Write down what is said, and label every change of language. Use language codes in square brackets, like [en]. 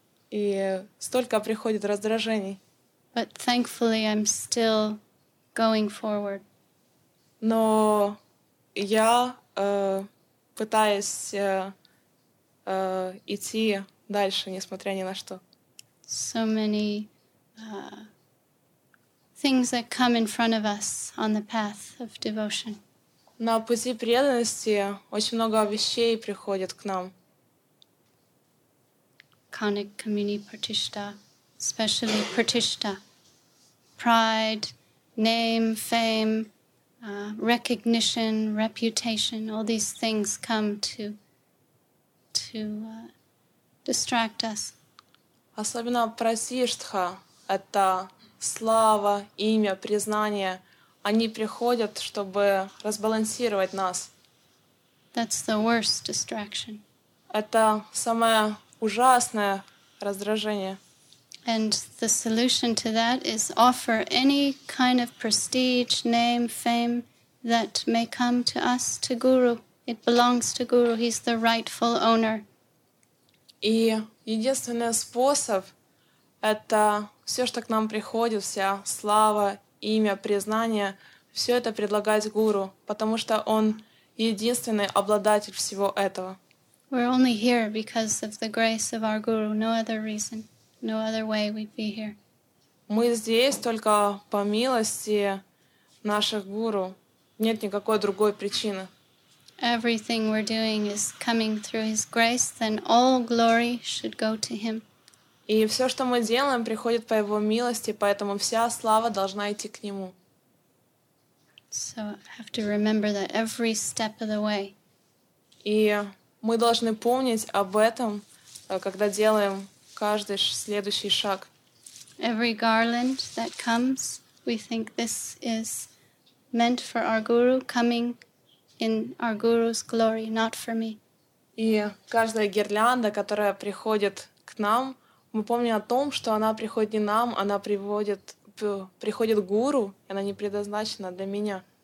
[ru] И столько приходит раздражений. [en] But thankfully, I'm still going forward. [ru] Но я пытаюсь идти дальше, несмотря ни на что. [en] So many things that come in front of us on the path of devotion. [ru] На пути преданности очень много вещей приходит к нам. [sa] Kanik kamini pratishta, especially pratishta. [en] Pride, name, fame. Recognition, reputation, all these things come to distract us. [ru] Особенно прасиштха — это слава, имя, признание. Они приходят, чтобы разбалансировать нас. [en] That's the worst distraction. [ru] Это самое ужасное раздражение. [en] And the solution to that is offer any kind of prestige, name, fame that may come to us, to Guru. It belongs to Guru. He's the rightful owner. [ru] И единственный способ — это все, что к нам приходит, вся слава, имя, признание, все это предлагать Гуру, потому что он единственный обладатель всего этого. [en] We're only here because of the grace of our Guru. No other reason. No other way we'd be here. [ru] Мы здесь только по милости наших Гуру. Нет никакой другой причины. [en] Everything we're doing is coming through His grace, then all glory should go to Him. [ru] И все, что мы делаем, приходит по Его милости, поэтому вся слава должна идти к Нему. [en] So I have to remember that every step of the way. [ru] И мы должны помнить об этом, когда делаем каждый следующий шаг. [en] Every garland that comes, we think this is meant for our Guru coming in our Guru's glory, not for me. [ru] И каждая гирлянда, которая приходит к нам, мы помним о том, что она приходит не нам, она приходит Гуру, и она не предназначена для меня.